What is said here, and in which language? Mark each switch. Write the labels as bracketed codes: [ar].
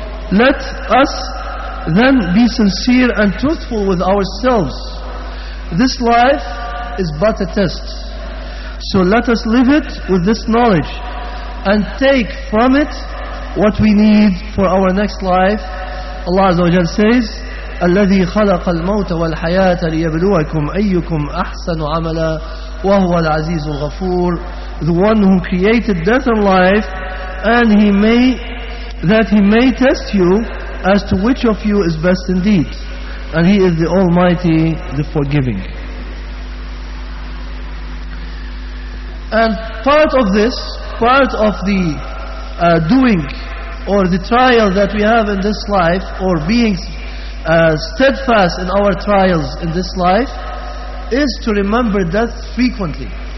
[en] Let us then be sincere and truthful with ourselves. This life is but a test. So let us live it with this knowledge and take from it what we need for our next life. Allah Azza wa Jalla says, [ar] الَّذِي خَلَقَ الْمَوْتَ وَالْحَيَاةَ لِيَبْلُوَكُمْ أَيُّكُمْ أَحْسَنُ عَمَلًا وَهُوَ الْعَزِيزُ الْغَفُورُ. [en] The one who created death and life, and he may test you as to which of you is best indeed. And he is the Almighty, the Forgiving. And part of this, part of the doing or the trial that we have in this life, or being steadfast in our trials in this life, is to remember death frequently.